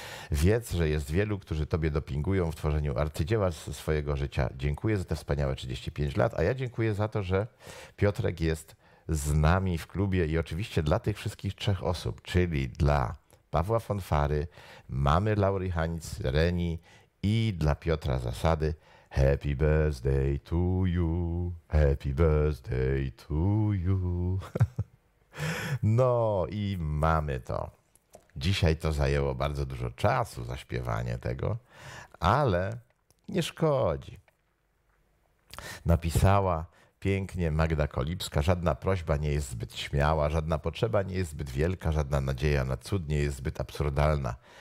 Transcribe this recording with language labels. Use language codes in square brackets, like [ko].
[pl] Wiedz, że jest wielu, którzy tobie dopingują w tworzeniu arcydzieła swojego życia. Dziękuję za te wspaniałe 35 lat, a ja dziękuję za to, że Piotrek jest z nami w klubie i oczywiście dla tych wszystkich trzech osób, czyli dla Pawła Fonfary, mamy Laury Hańc, Reni i dla Piotra Zasady. [en] Happy birthday to you, happy birthday to you. [pl] No i mamy to. Dzisiaj to zajęło bardzo dużo czasu, zaśpiewanie tego, ale nie szkodzi. Napisała pięknie Magda Kolibska, żadna prośba nie jest zbyt śmiała, żadna potrzeba nie jest zbyt wielka, żadna nadzieja na cud nie jest zbyt absurdalna.